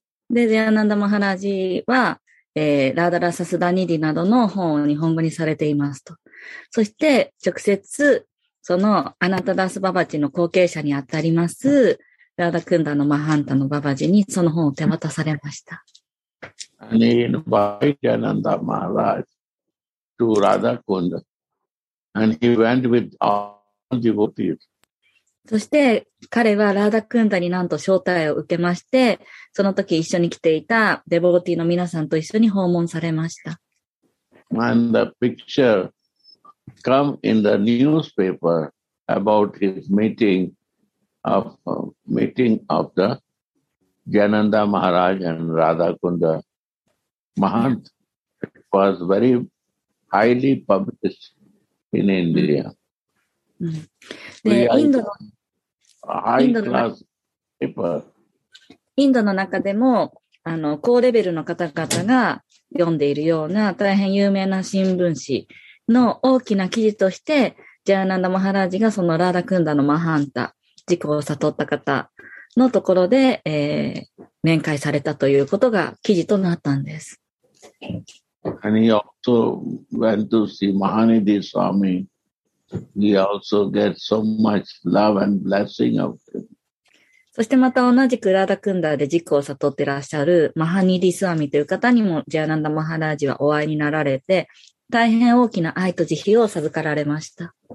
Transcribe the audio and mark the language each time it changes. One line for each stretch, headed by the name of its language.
Japanese: で、ジャーナンダ・マハラジは、ラダラサ・スダニディなどの本を日本語にされていますと。そして、直接、その、アナタダス・ババチの後継者にあたります、ラダクンダのマハンタのババジにその本を手渡されました。
English: And he invited Ananda Maharaj to Radha Kunda. And he went with all devotees.
Japanese: そして彼はラダクンダになんと招待を受けまして、その時一緒に来ていたデボーティーの皆さんと一緒に訪問されました。
English: And the picture come in the newspaper about his meeting. Of meeting of the Jayananda Maharaj and Radha Kunda Mahant was very highly published in India.
Japanese: インドの中でも高レベルの方々が読んでいるような大変有名な新聞紙の大きな記事としてジャーナンダ・マハラージがそのラーダ・クンダのマハンタ、自己を悟った方のところで、面会されたということが記事となったんです。
English: And he also went to see Mahanidhi Swami. He also got so much love and blessing of him.
Japanese: そしてまた同じくラーダ・クンダで自己を悟ってらっしゃるマハニディ・スワミという方にもジャーナンダ・マハラージはお会いになられて、大変大きな愛と慈悲を授かられました。